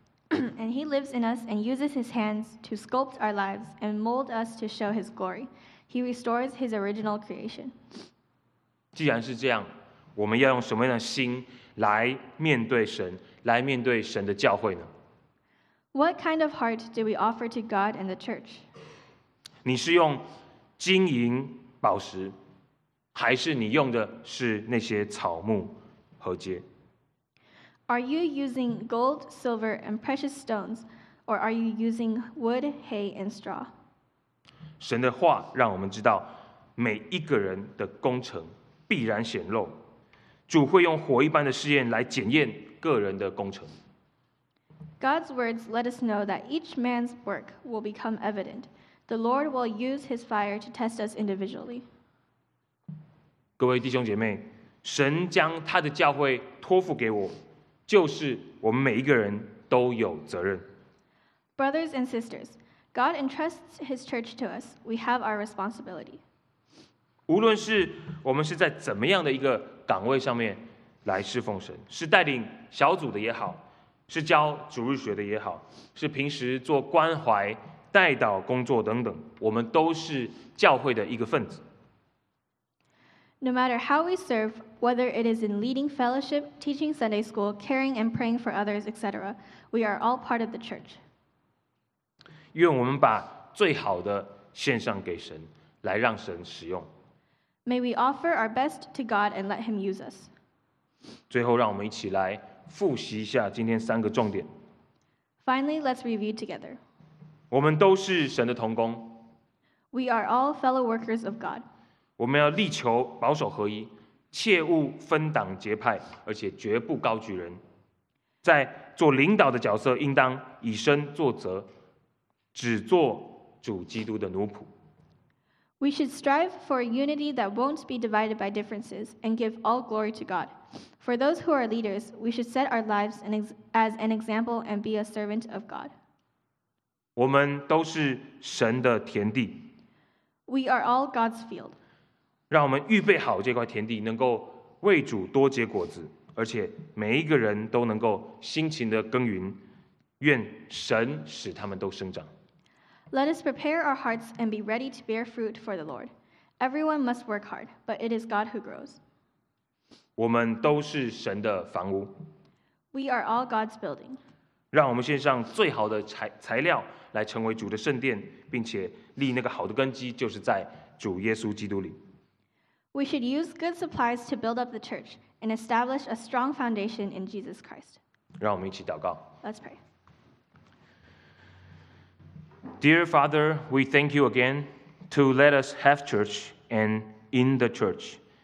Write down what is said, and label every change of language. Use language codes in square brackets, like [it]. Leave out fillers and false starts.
[en] And he lives in us and uses his hands to sculpt our lives and mold us to show his glory. He restores his original creation. [zh] 既然是这样，我们要用什么样的心来面对神，来面对神的教会呢？ [en] What kind of heart do we offer to God and the church? [zh] 你是用金银宝石，还是你用的是那些草木禾秸？ [en] Are you using gold, silver, and precious stones, or are you using wood, hay, and straw? [zh] 神的话让我们知道，每一个人的工程必然显露。主会用火一般的试验来检验个人的工程。 [en] God's words let us know that each man's work will become evident. The Lord will use His fire to test us individually. [zh] 各位弟兄姐妹，神将他的教会托付给我。就是我们每一个人都有责任。 [en] Brothers and sisters, God entrusts His church to us. We have our responsibility. [zh] 无论是我们是在怎么样的一个岗位上面来侍奉神，是带领小组的也好，是教主日学的也好，是平时做关怀带导工作等等，我们都是教会的一个分子。 [en] No matter how we serve, whether it is in leading fellowship, teaching Sunday school, caring and praying for others, etc., we are all part of the church. [zh] 愿我们把最好的献上给神，来让神使用。 [en] May we offer our best to God and let Him use us. [zh] 最后，让我们一起来复习一下今天三个重点。 [en] Finally, let's review together. [zh] 我们都是神的同工。 [en] We are all fellow workers of God. [zh] 我们要力求保守合一，切勿分党结派，而且绝不高举人。在做领导的角色，应当以身作则，只做主基督的奴仆。 [en] We should strive for a unity that won't be divided by differences and give all glory to God. For those who are leaders, we should set our lives as an example and be a servant of God. [zh] 我们都是神的田地。 [en] We are all God's field. [zh] 让我们预备好这块田地，能够为主多结果子，而且每一个人都能够辛勤的耕耘，愿神使他们都生长。 [en] Let us prepare our hearts and be ready to bear fruit for the Lord. Everyone must work hard, but it is God who grows. [zh] 我们都是神的房屋。 [en] We are all God's building. [zh] 让我们献上最好的材料来成为主的圣殿，并且立那个好的根基，就是在主耶稣基督里。 [en] We should use good supplies to build up the church and establish a strong foundation in Jesus Christ. [zh] 让我们一起祷告。 [en] Let's pray. Dear Father, we thank you again to let us have church and in the church.